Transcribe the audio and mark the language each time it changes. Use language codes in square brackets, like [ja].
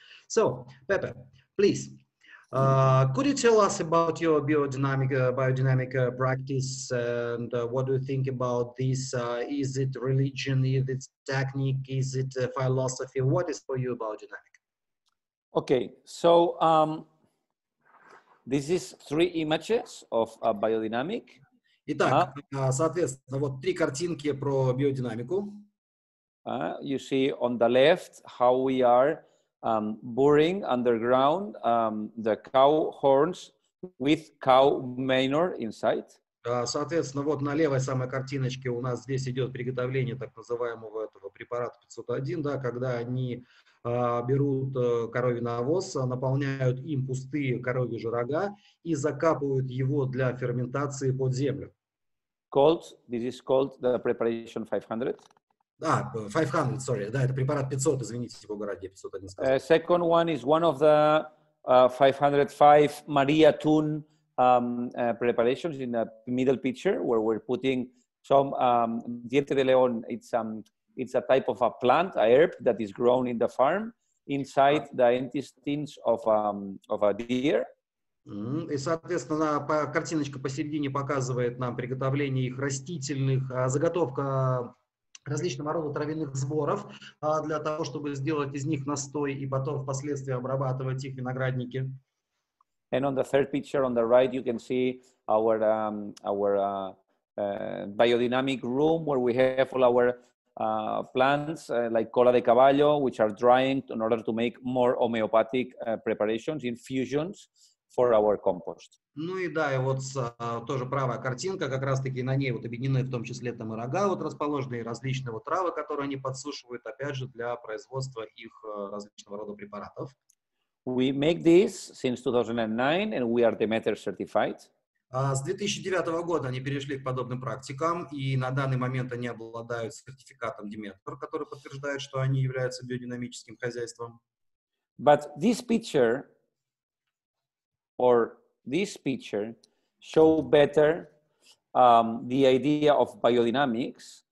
[en] So, Pepe, please. Could you tell us about your biodynamic practice and what do you think about this? Is it religion? Is it technique? Is it philosophy? What is for you biodynamic? Okay, so this is three images of biodynamic. [ru] Итак, соответственно, вот три картинки про биодинамику. [en] You see on the left how we are boring underground the cow horns with cow manure inside. [ru] Соответственно, вот на левой самой картиночке у нас здесь идет приготовление так называемого этого препарата 501, да, когда они берут коровий навоз, наполняют им пустые коровьи же рога и закапывают его для ферментации под землю. [en] Called, this is called the preparation 500. [ru] Да, 500, [en] sorry. [ru] Да, это препарат 500, извините, его городе 501 сказал. [en] Second one is one of the 505 Maria Thun preparations in the middle picture, where we're putting some diente de león. It's a type of a plant, a herb that is grown in the farm inside the intestines of a deer. [ru] И, соответственно, картиночка посередине показывает нам приготовление их растительных, заготовка различного рода травяных сборов для того, чтобы сделать из них настой и потом впоследствии обрабатывать их виноградники. [en] And on the third picture on the right, you can see our biodynamic room where we have all our plants like cola de caballo, which are drying in order to make more homeopathic preparations, infusions for our compost. [ru] Ну и да, и вот тоже правая картинка, как раз таки на ней вот объединены в том числе там и рога вот расположены, и различные вот травы, которые они подсушивают, опять же, для производства их различного рода препаратов. [en] We make this since 2009 and we are Demeter certified. [ru] С 2009 года они перешли к подобным практикам, и на данный момент они обладают сертификатом Demeter, который подтверждает, что они являются биодинамическим хозяйством. [en] But this picture, or this picture, show better the idea of biodynamics.